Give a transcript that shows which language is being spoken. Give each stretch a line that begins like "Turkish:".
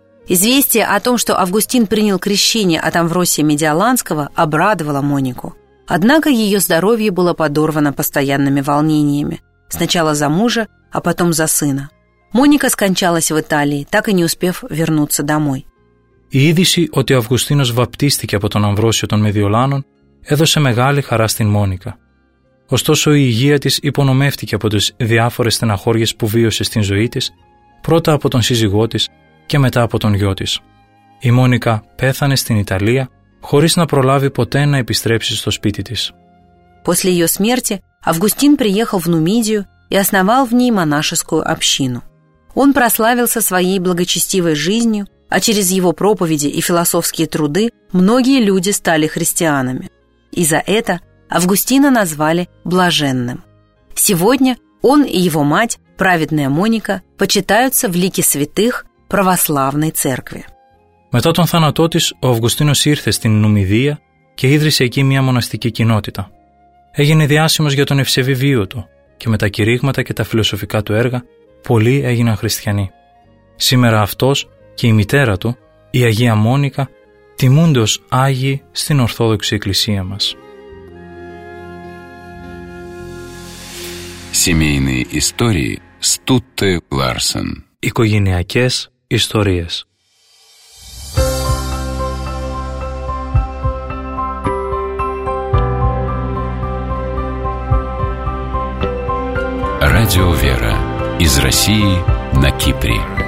Russian: Известие о том, что Августин принял крещение от Амвросия Медиоланского, обрадовало Монику. Однако ее здоровье было подорвано постоянными волнениями. Сначала за мужа, а потом за сына. Моника скончалась в Италии, так и не успев вернуться домой.
Greek: Η είδηση ότι ο Αυγουστίνος βαπτίστηκε από τον Αμβρόσιο των Μεδιολάνων έδωσε μεγάλη χαρά στην Μόνικα. Ωστόσο, η υγεία της υπονομεύτηκε από τις διάφορες στεναχώριες που βίωσε στην ζωή της, πρώτα από τον σύζυγό της και μετά από τον γιο της. Η Μόνικα πέθανε στην Ιταλία χωρίς να προλάβει ποτέ να επιστρέψει στο σπίτι της.
Russian: После ее смерти Августин приехал в Нумидию и основал в ней монашескую общину. Он прославился своей благочестивой жизнью, а через его проповеди и философские труды многие люди стали христианами. И за это Августина назвали блаженным. Сегодня он и его мать, праведная Моника, почитаются в лике святых православной церкви.
Greek: Мета тон θάνατό της, ο Αυγουστίνος ήρθε στην Νουμιδία και ίδρυσε εκεί μια μοναστική κοινότητα. Έγινε διάσημος για τον ευσεβή βίο του και με τα κηρύγματα και τα φιλοσοφικά του έργα πολλοί έγιναν χριστιανοί. Σήμερα αυτός και η μητέρα του, η Αγία Μόνικα, τιμούνται ως Άγιοι στην Ορθόδοξη Εκκλησία μας.
Russian: Семейные истории Стутте Ларсен.
Greek: Οικογενειακές ιστορίες.
Russian: Радио Вера. Из России на Кипре.